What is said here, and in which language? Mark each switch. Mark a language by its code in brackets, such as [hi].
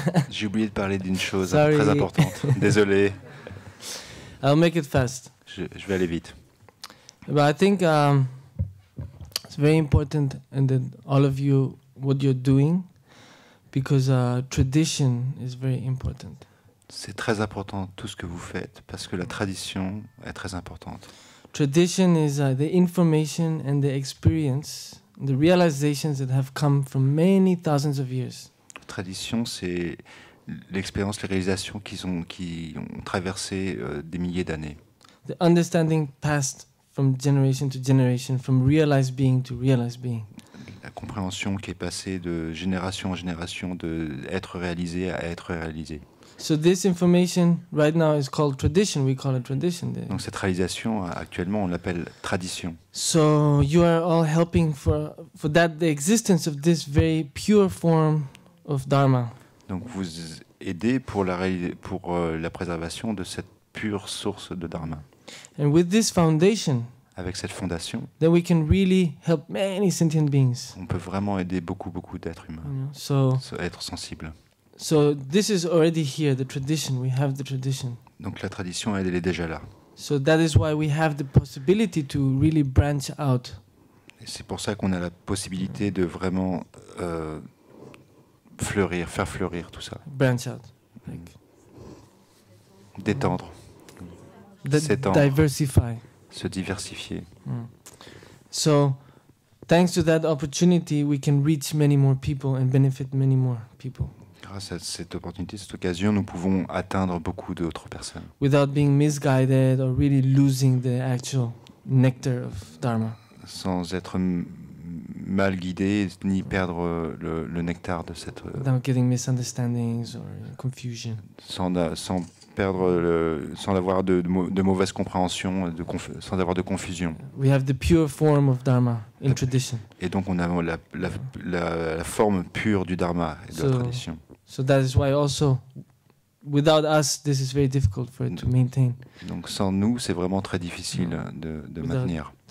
[fr] J'ai oublié de parler d'une chose très importante. Désolé. [en] I'll make it fast. [fr] Je vais aller vite. [en] But I think it's very important, and that all of you, what you're doing, because tradition is very important. [fr] C'est très important tout ce que vous faites, parce que la tradition est très importante. [en] Tradition is the information and the experience, the realizations that have come from many thousands of years. [fr] Tradition, c'est l'expérience, les réalisations qui ont traversé des milliers d'années. [en] The understanding passed from generation to generation, from realized being to realized being. [fr] La compréhension qui est passée de génération en génération, de être réalisé à être réalisé. [en] So this information right now is called tradition. We call it tradition. [fr] Donc cette réalisation actuellement, on l'appelle tradition. [en] So you are all helping for that the existence of this very pure form of dharma. [fr] Donc vous aidez pour la préservation de cette pure source de dharma. [en] And with this foundation, [fr] avec cette fondation, [en] then we can really help many sentient beings. [fr] On peut vraiment aider beaucoup d'êtres humains. [en] So [fr] être sensible. [en] So this is already here, the tradition. We have the tradition. [fr] Donc la tradition, elle est déjà là. [en] So that is why we have the possibility to really branch out. [fr] Et c'est pour ça qu'on a la possibilité de vraiment faire fleurir tout ça. [en] Branch out. [fr] D'étendre. S'étendre. Diversify. Se diversifier. [en] So thanks to that opportunity, we can reach many more people and benefit many more people. [fr] Grâce à cette opportunité, cette occasion, nous pouvons atteindre beaucoup d'autres personnes. [en] Without being misguided or really losing the actual nectar of dharma. [fr] Sans être mal guider ni perdre le nectar de cette. [en] Without getting misunderstandings or confusion. [fr] Sans perdre sans avoir de mauvaise compréhension sans avoir de confusion. [en] We have the pure form of dharma in tradition. [fr] Et donc on a la forme pure du dharma et de la tradition. [en] So that is why also. Without us, this is very difficult for it to maintain. [fr] Donc sans nous, c'est vraiment très difficile de maintenir.